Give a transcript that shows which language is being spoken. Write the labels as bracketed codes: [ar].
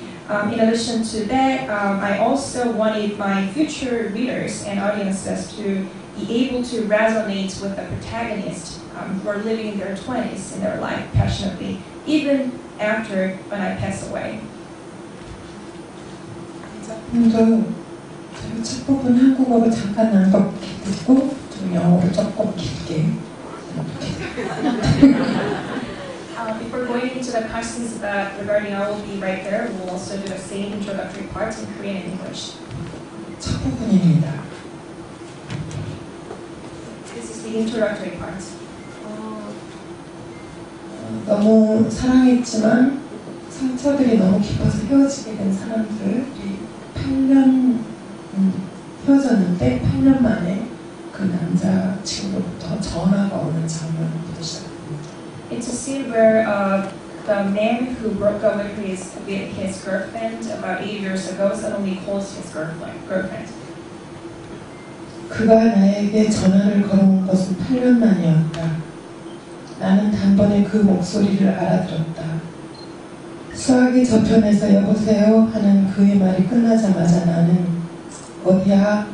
[en] In addition to that, I also wanted my future readers and audiences to be able to resonate with the protagonists who are living in their 20s in their life passionately, even after when I pass away. [ko] 작품도 제가 첫 부분 한국어로 잠깐 나눠서 듣고 좀 영어로 조금 깊게 [en] Before going into the questions that regarding I will be right there, we'll also do the same introductory parts in Korean and English. [ko] 첫 부분입니다. [en] This is the introductory part. [ko] 너무 사랑했지만 상처들이 너무 깊어서 헤어지게 된 사람들이 8년 헤어졌는데 8년 만에 그 남자 친구로부터 전화가 오는 장면부터 시작합니다. [en] It's a scene where the man who broke up with his girlfriend about 8 years ago suddenly calls his girlfriend. [ko] 그가 나에게 전화를 걸어온 것은 8년 만이었다. 나는 단번에 그 목소리를 알아들었다. 수학이 저편에서 여보세요 하는 그의 말이 끝나자마자 나는 어디야?